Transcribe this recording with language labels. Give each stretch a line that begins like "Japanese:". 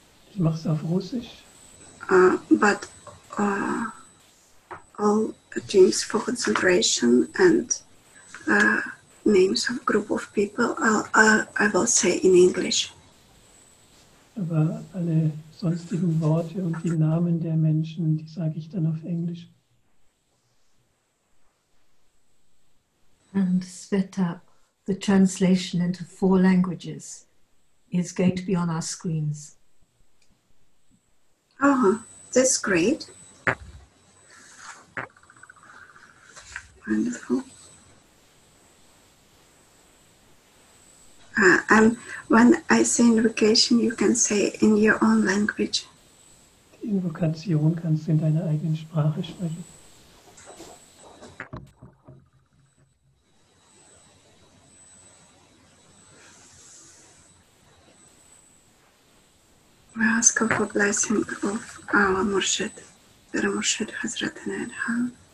German: Ich mache es auf Russisch.
English: All teams for concentration and names of group of people I will say in English.
German: Aber alle sonstigen Worte und die Namen der Menschen, die sage ich dann auf Englisch.
English: And Sveta, the translation into four languages is going to be on our screens. Oh, that's great. Wonderful. And when I say invocation, you can say in your own language.
German: Invocation kannst du in deiner eigenen Sprache sprechen.
English: We ask of the blessing of our Murshid, der Murshid Hazrat Inayat Khan.